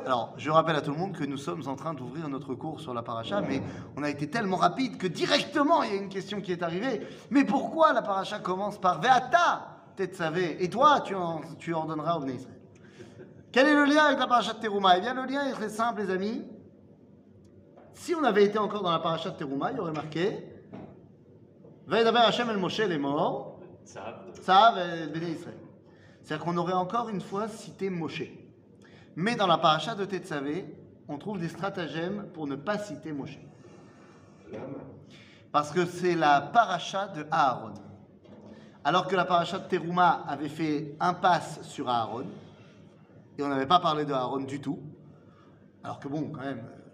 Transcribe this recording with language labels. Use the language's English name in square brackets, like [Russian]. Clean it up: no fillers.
[French] Alors, je rappelle à tout le monde que nous sommes en train d'ouvrir notre cours sur la paracha, ouais. Mais on a été tellement rapide que directement, il y a une question qui est arrivée. Mais pourquoi la paracha commence par Ve'ata, Tetzaveh, et toi, tu ordonneras au Bnei Israël. Quel est le lien avec la paracha de Teruma? Eh bien, le lien est très simple, les amis. Si on avait été encore dans la paracha de Teruma, il y aurait marqué... [Hebrew] וידבר השם אל משה לאמור צו בני ישראל. [French] C'est-à-dire qu'on aurait encore une fois cité Moshe. Mais dans la paracha de Tetzaveh, on trouve des stratagèmes pour ne pas citer Moshe. Parce que c'est la paracha de Aaron. Alors que la paracha de Teruma avait fait impasse sur Aaron, et on n'avait pas parlé de Aaron du tout. Alors que bon, quand même...